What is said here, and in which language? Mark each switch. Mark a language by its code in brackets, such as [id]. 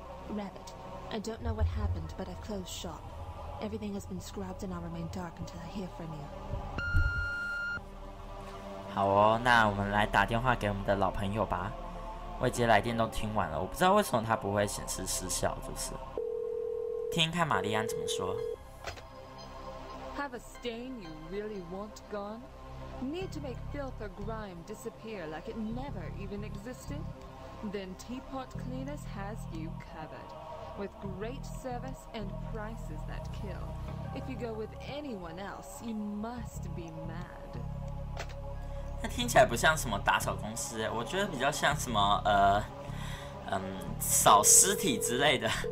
[en] Rabbit, I don't know what happened, but I've closed shop. Everything has been scrubbed and I'll remain dark until I hear from you. [zh] 好哦，那我们来打电话给我们的老朋友吧。我已经来电都听完了，我不知道为什么它不会显示失效，就是。听看玛丽安怎么说。 [en] Have a stain you really want gone? Need to make filth or grime disappear like it never even existed? Then Teapot Cleaners has you covered with great service and prices that kill. If you go with anyone else, you must be mad. [zh] 那听起来不像什么打扫公司，我觉得比较像什么扫尸体之类的。